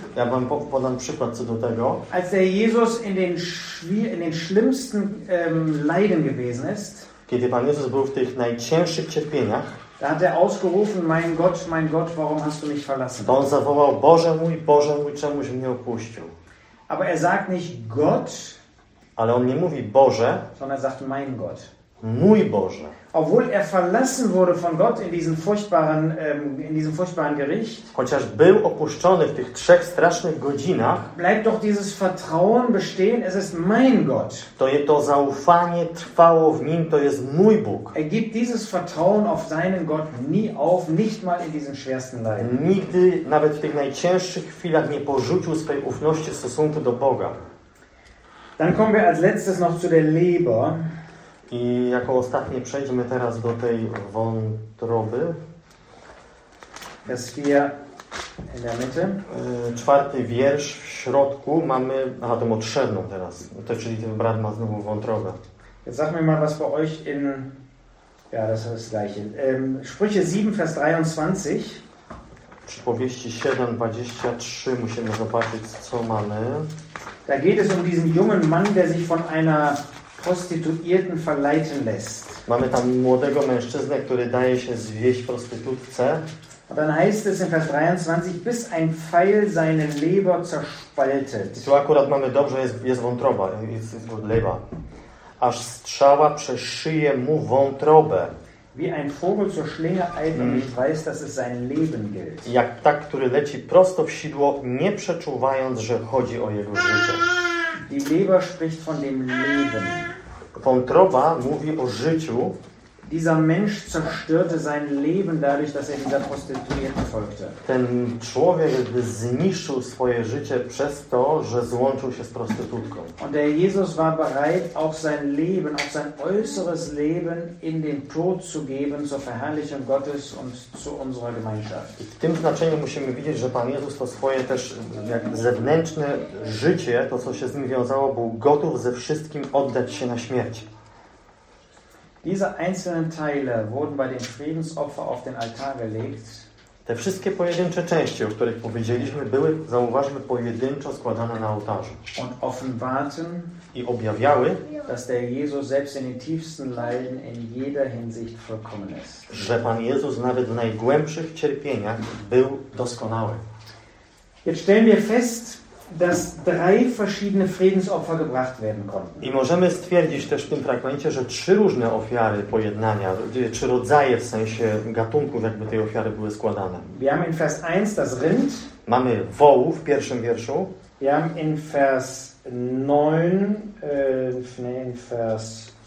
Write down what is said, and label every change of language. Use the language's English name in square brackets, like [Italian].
[Polish] Ja wam podam przykład co do tego. [German] Als der Jesus in den schlimmsten Leiden gewesen ist, [Polish] kiedy Pan Jezus był w tych najcięższych cierpieniach, [German] da hat er ausgerufen, mein Gott, warum hast du mich verlassen? [Polish] On zawołał, Boże mój, czemuś mnie opuścił? [German] Aber er sagt nicht Gott, [Polish] ale on nie mówi Boże, [German] sondern sagt mein Gott. [Polish] Mój Boże. [German] Obwohl er verlassen wurde von Gott in diesem furchtbaren Gericht, [Polish] chociaż był opuszczony w tych trzech strasznych godzinach, [German] bleibt doch dieses Vertrauen bestehen, es ist mein Gott. [Polish] To zaufanie trwało w nim, to jest mój Bóg. [German] Er gibt dieses Vertrauen auf seinen Gott nie auf, nicht mal in diesen schwersten Leiden. [Polish] Nigdy, nawet w tych najcięższych chwilach, nie porzucił swej ufności w stosunku do Boga. [German] Dann kommen wir als letztes noch zu der Leber. [Polish] I jako ostatnie przejdźmy teraz do tej wątroby. [German] Vers 4 in der Mitte. [Polish] Czwarty wiersz w środku mamy, aha, tą otrzewną teraz. To czyli ten brat ma znowu wątrobę. [German] Jetzt sag mir mal was bei euch in... Ja, das ist das gleiche. Sprüche 7, Vers 23. [Polish] Przypowieści 7, 23. Musimy zobaczyć, co mamy. [German] Da geht es um diesen jungen Mann, der sich von einer... Prostituierten verleiten lässt. [Polish] Mamy tam młodego mężczyznę, który daje się zwieść prostytutce. [German] Und dann heißt es in Vers 23, bis ein Pfeil seine Leber zerspaltet. [Polish] Tu akurat mamy dobrze, jest wątroba, jest leba. Aż strzała przeszyje mu wątrobę. [German] Wie ein Vogel zur Schlinge eilt und nicht weiß, dass es sein Leben gilt. [Polish] Jak ptak, który leci prosto w sidło, nie przeczuwając, że chodzi o jego życie. [German] Die Leber spricht von dem Leben. [Polish] Wątroba mówi o życiu. [German] Dieser Mensch zerstörte sein Leben dadurch, dass er dieser Prostituierten folgte. [Polish] Ten człowiek zniszczył swoje życie przez to, że złączył się z prostytutką. [German] Und der Jesus war bereit, auch sein Leben, auch sein äußeres Leben in den Tod zu geben, zur Verherrlichung Gottes und zu unserer Gemeinschaft. [Polish] W tym znaczeniu musimy widzieć, że Pan Jezus to swoje też jak zewnętrzne życie, to co się z nim wiązało, był gotów ze wszystkim oddać się na śmierć. [German] Diese einzelnen Teile wurden bei dem Friedensopfer auf den Altar gelegt. [Polish] Te wszystkie pojedyncze części, o których powiedzieliśmy, były, zauważmy, pojedynczo składane na ołtarzu. [German] Und offenbarten, [Polish] i objawiały, [German] dass der Jesus selbst in den tiefsten Leiden in jeder Hinsicht vollkommen ist. [Polish] Że Pan Jezus nawet w najgłębszych cierpieniach był doskonały. [German] Jetzt stellen wir fest, dass drei verschiedene Friedensopfer gebracht werden konnten. [Polish] I możemy stwierdzić też w tym fragmencie, że trzy różne ofiary pojednania, trzy rodzaje w sensie gatunków, jakby tej ofiary były składane. [German] Wir haben in Vers 1 das Rind. [Polish] Mamy wołu w pierwszym wierszu. [German] Wir haben in Vers 9, in Vers